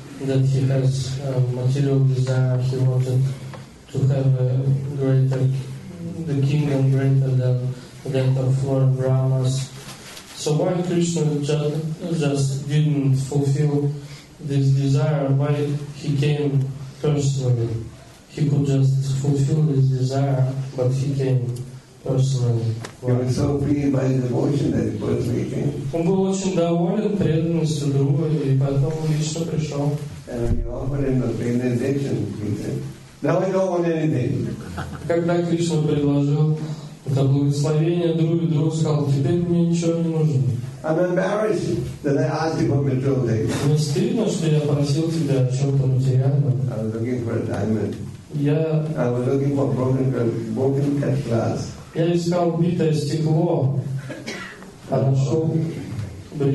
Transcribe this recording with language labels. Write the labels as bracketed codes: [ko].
[en] That he has material desire, he wanted to have the kingdom greater than that of Lord Brahma's. So why Krishna just didn't fulfill this desire, why he came personally. He could just fulfill this desire, but he came personally. He was so pleased by his devotion that he personally came. [ru] Он был очень доволен преданностью друга, и поэтому лично пришел. [en] And he offered him a benediction. Now I don't want anything. [ru] Когда Кришна предложил это благословение, друг сказал, теперь мне ничего не нужно. [en] I'm embarrassed that I asked you for material things. [ru] Мне стыдно, что я просил тебя о чем-то материальном. [en] I was looking for a diamond. [ru] Я... [en] I was looking for broken cut glass. [ru] Я искал битое стекло, а нашел бриллиант.